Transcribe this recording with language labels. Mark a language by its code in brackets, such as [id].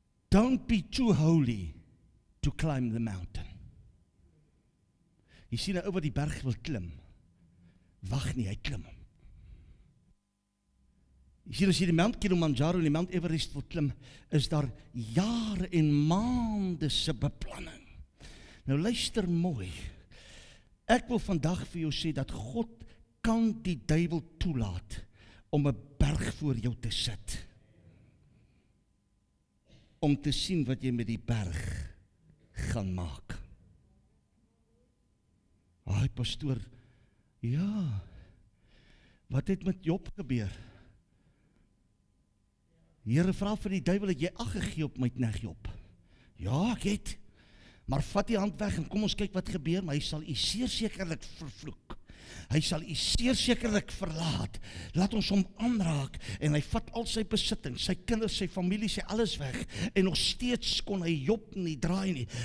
[en] Don't be too holy to climb the mountain. [af] Jy sien 'n ou wat die berg wil klim. Wag nie, hy klim hom. Jy sien as jy die Mount Kilimanjaro en die Mount Everest wil klim, is daar jare en maande se beplanning. Nou luister mooi. Ek wil vandag vir jou sê dat God kan die duivel toelaat om 'n berg voor jou te sit. Om te sien wat jy met die berg gaan maak. Ai, pastoor, ja, wat het met Job gebeur? Heere, vraag vir die duivel, het jy ag gegee op my knegt Job? Ja, ek het. Maar vat die hand weg en kom ons kyk wat gebeur, maar hy sal u sekerlik vervloek. Hy sal u sekerlik verlaat. Laat ons hom aanraak en hy vat al sy besitting, sy kinders, sy familie, sy alles weg en nog steeds kon hy Job nie draai nie.